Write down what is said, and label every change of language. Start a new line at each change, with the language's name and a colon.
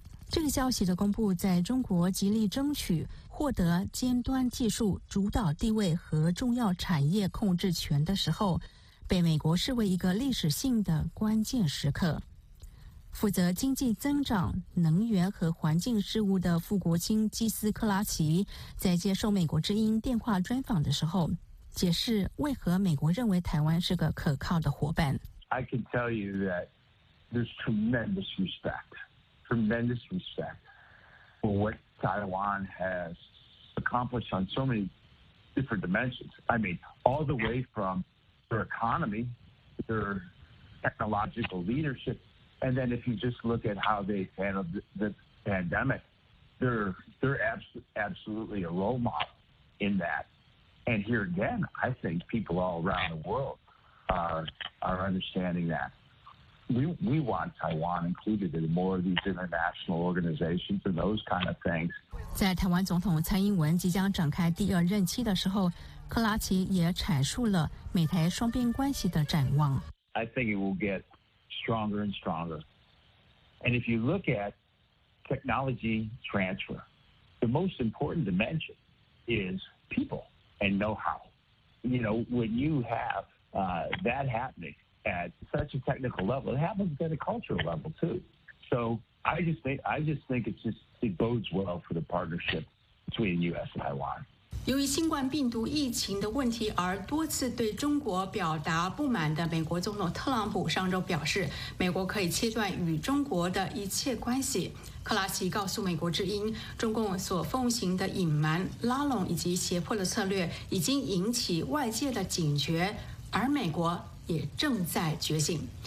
Chinese: 这个消息的公布，在中国极力争取获得尖端技术主导地位和重要产业控制权的时候，被美国视为一个历史性的关键时刻。负责经济增长、能源和环境事务的副国务卿基斯克拉奇在接受美国之音电话专访的时候，解释为何美国认为台湾是个可靠的伙伴。
English: I can tell you that there's tremendous respect, tremendous respect for what Taiwan has accomplished on so many different dimensions. I mean, all the way from their economy, their technological leadership. And then if you just look at how they handled the pandemic, they're absolutely a role model in that. And here again, I think people all around the world are understanding that. We want Taiwan included in more of these international organizations and those kind of things.
Chinese: 在台湾总统蔡英文即将展开第二任期的时候，克拉奇也阐述了美台双边关系的展望。
English: I think it will get... stronger and stronger. And if you look at technology transfer, the most important dimension is people and know-how. You know, when you have that happening at such a technical level, it happens at a cultural level too. So I just think it bodes well for the partnership between U.S. and Taiwan.
Chinese: 由于新冠病毒疫情的问题而多次对中国表达不满的美国总统特朗普上周表示，美国可以切断与中国的一切关系。克拉奇告诉美国之音，中共所奉行的隐瞒、拉拢以及胁迫的策略已经引起外界的警觉，而美国也正在觉醒。